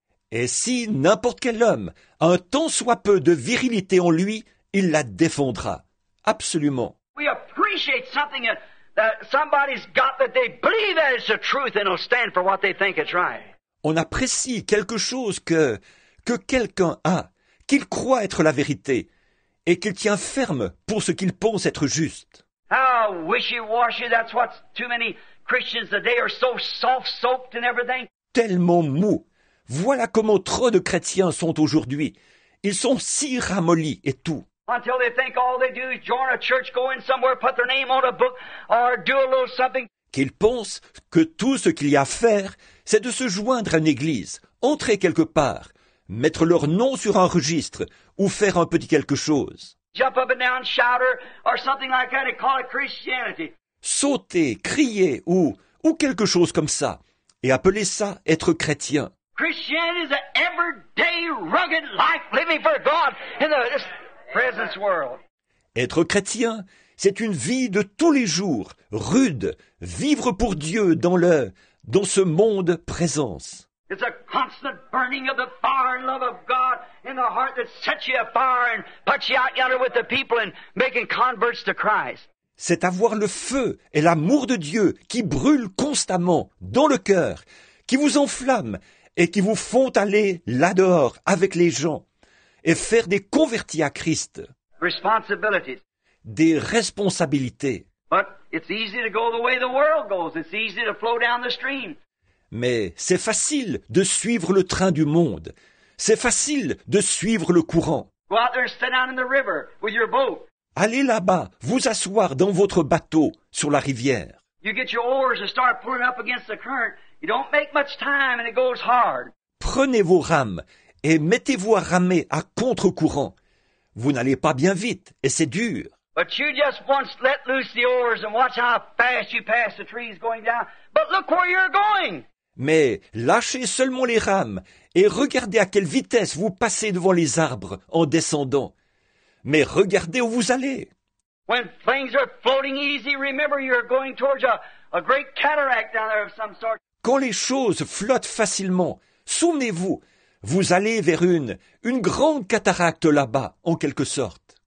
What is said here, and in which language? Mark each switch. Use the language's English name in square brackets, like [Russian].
[French] Et si n'importe quel homme a un tant soit peu de virilité en lui, il la défendra. Absolument. [English] We appreciate something that somebody's got that they believe that it's the truth and they'll stand for what they think is right. [French] On apprécie quelque chose que quelqu'un a, qu'il croit être la vérité, et qu'il tient ferme pour ce qu'il pense être juste. [English] How wishy-washy, that's what too many Christians today are so soft-soaked and everything. [French] Tellement mou. Voilà comment trop de chrétiens sont aujourd'hui. Ils sont si ramollis et tout. [English] Until they think all they do is join a church, go in somewhere, put their name on a book, or do a little something. [French] qu'il pense que tout ce qu'il y a à faire, c'est de se joindre à une église, entrer quelque part, mettre leur nom sur un registre ou faire un petit quelque chose. [English] Jump up and down, shout or something like that and call it Christianity. [French] Sauter, crier ou quelque chose comme ça et appeler ça être chrétien. [English] Christianity is an everyday rugged life living for God in the presence world. [French] Être chrétien, c'est une vie de tous les jours, rude, vivre pour Dieu dans ce monde présence. [English] It's a constant burning of the fire and love of God in the heart that sets you afire and puts you out yonder with the people and making converts to Christ. [French] C'est avoir le feu et l'amour de Dieu qui brûle constamment dans le cœur, qui vous enflamme et qui vous font aller là-dehors avec les gens et faire des convertis à Christ. [English] Responsibilities. [French] Des responsabilités. [English] But it's easy to go the way the world goes. It's easy to flow down the stream. [French] Mais c'est facile de suivre le train du monde. C'est facile de suivre le courant. [English] Go out there and sit down in the river with your boat. [French] Allez là-bas, vous asseoir dans votre bateau sur la rivière. [English] You get your oars and start pulling up against the current. You don't make much time and it goes hard. [French] Prenez vos rames et mettez-vous à ramer à contre-courant. Vous n'allez pas bien vite et c'est dur. [English] But you just once let loose the oars and watch how fast you pass the trees going down. But look where you're going. [French] Mais lâchez seulement les rames et regardez à quelle vitesse vous passez devant les arbres en descendant. Mais regardez où vous allez. [English] When things are floating easy, remember you're going towards a great cataract down there of some sort. [French] Quand les choses flottent facilement, souvenez-vous, vous allez vers une grande cataracte là-bas, en quelque sorte.